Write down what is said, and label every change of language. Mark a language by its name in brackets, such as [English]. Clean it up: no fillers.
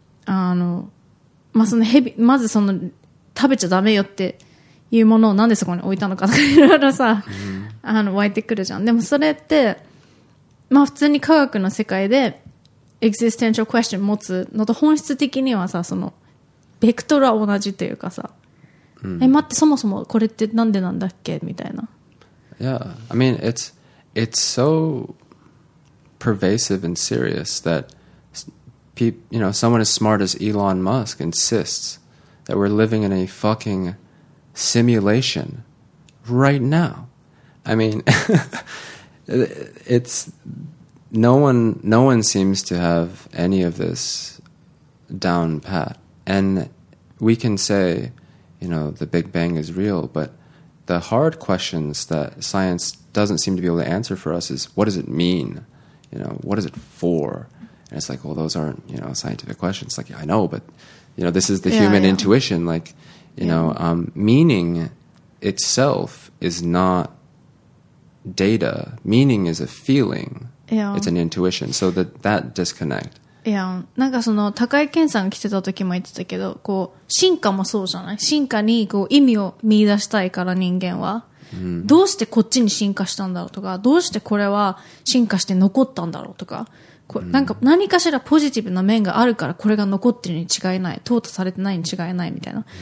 [Japanese] あの、まあ、その蛇、まずその、食べちゃダメよっていうものをなんでそこに置いたのかとか、いろいろさ、あの、湧いてくるじゃん。でもそれって、まあ、普通に科学の世界で、エクシステンシャルクエスチョン持つのと本質的にはさ、その、ベクトルは同じというかさ、うん、え、待って、そもそもこれってなんでなんだっけみたいな。 [English] Yeah, I mean, it's so pervasive and serious that, you know, someone as smart as Elon Musk insists that we're living in a fucking simulation right now. I mean, it's, no one seems to have any of this down pat. And we can say, you know, the Big Bang is real, but the hard questions that science doesn't seem to be able to answer for us is, what does it mean? You know, what is it for? And it's like, well, those aren't, you know, scientific questions. Like, yeah, I know, but, you know, this is the human intuition. Like, you know, meaning itself is not data. Meaning is a feeling. Yeah. It's an intuition. So that disconnect. Yeah. [Japanese] なんかその、高井健さんが来てた時も言ってたけど、こう、進化もそうじゃない？進化にこう意味を見出したいから人間は。どうしてこっちに進化したんだろうとか、どうしてこれは進化して残ったんだろうとか、なんか何かしらポジティブな面があるからこれが残ってるに違いない、淘汰されてないに違いないみたいな。